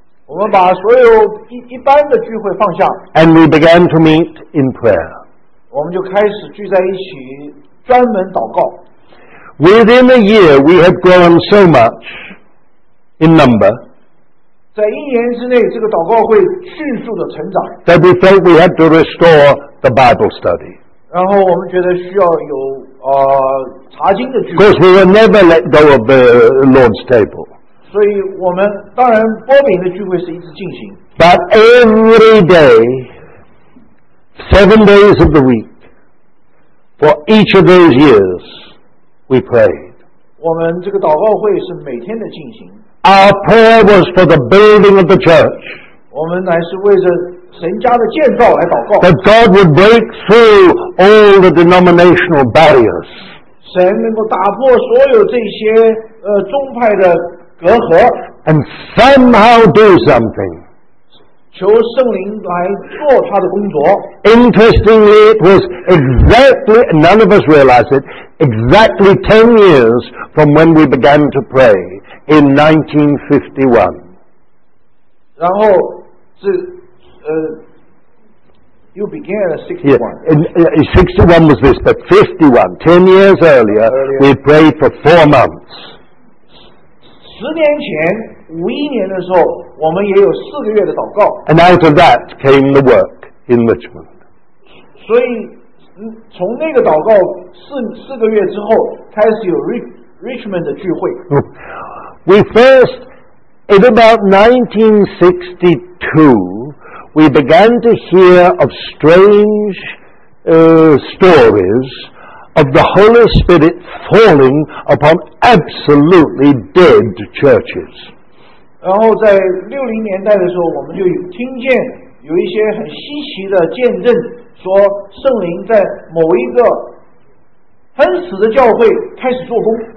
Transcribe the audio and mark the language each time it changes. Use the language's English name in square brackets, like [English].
[Chinese] 我们把所有一般的聚会放下 [English] ，and we began to meet in prayer. [Chinese] 我们就开始聚在一起专门祷告。 [English] Within a year, we had grown so much in number. [Chinese] 在一年之内，这个祷告会迅速的成长。 [English] That we felt we had to restore the Bible study. [Chinese] 然后我们觉得需要有查经的聚会。 [English] Of course, we will never let go of the Lord's table. [Chinese] 所以我们当然波饼的聚会是一直进行。 [English] But every day. 7 days of the week, for each of those years, we prayed. [Chinese] 我们这个祷告会是每天的进行。 [English] Our prayer was for the building of the church. [Chinese] 我们乃是为着神家的建造来祷告。 [English] That God would break through all the denominational barriers. [Chinese] 神能够打破所有这些宗派的隔阂。 [English] And somehow do something. [Chinese] 求圣灵来做他的工作。 [English] Interestingly, it was exactly, none of us realize it, exactly 10 years from when we began to pray in 1951. [Chinese] 然后是 [English] You began at 61. Yeah, 61 was this, but 51, 10 years earlier, we prayed for 4 months. [Chinese] 10年前, 5年的时候, 我们也有4个月的祷告。 [English] And out of that came the work in Richmond. [Chinese] 所以, 从那个祷告, 四个月之后, 开始有 Richmond的聚会。 [English] We first, in about 1962, we began to hear of strange stories of the Holy Spirit falling upon absolutely dead churches. [Chinese] 然后在60年代的时候, 我们就听见有一些很稀奇的见证, 说圣灵在某一个很死的教会开始做工。